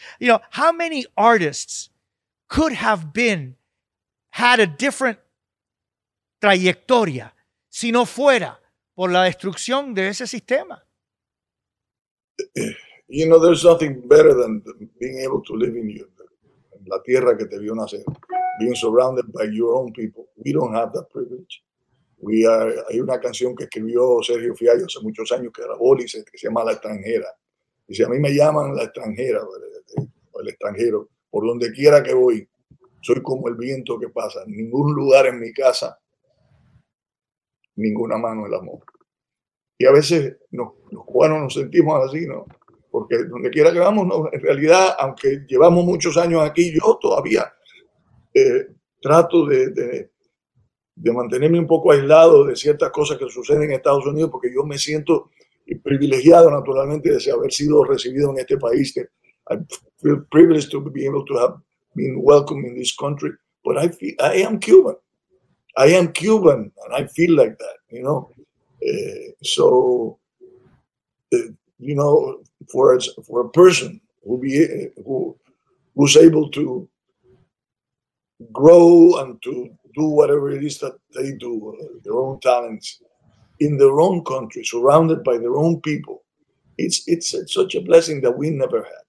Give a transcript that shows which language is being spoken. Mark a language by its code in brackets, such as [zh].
[en] You know, how many artists could have been, had a different [es] trayectoria si no fuera por la destrucción de ese sistema? [en] You know, there's nothing better than being able to live in [es] la tierra que te vio nacer, [en] being surrounded by your own people. We don't have that privilege. We are, [es] hay una canción que escribió Sergio Fiallo hace muchos años que grabó, dice, que se llama La Extranjera. Y si a mí me llaman La Extranjera, o el extranjero, por donde quiera que voy, soy como el viento que pasa. Ningún lugar en mi casa, ninguna mano el amor. Y a veces los cubanos nos sentimos así, ¿no? Porque donde quiera que vamos, no, en realidad, aunque llevamos muchos años aquí, yo todavía trato de mantenerme un poco aislado de ciertas cosas que suceden en Estados Unidos, porque yo me siento privilegiado, naturalmente, de haber sido recibido en este país. [en] I feel privileged to be able to have been welcomed in this country. But I am Cuban. I am Cuban, and I feel like that, you know? You know, for a person who's able to grow and to do whatever it is that they do, their own talents, in their own country, surrounded by their own people, it's such a blessing that we never had.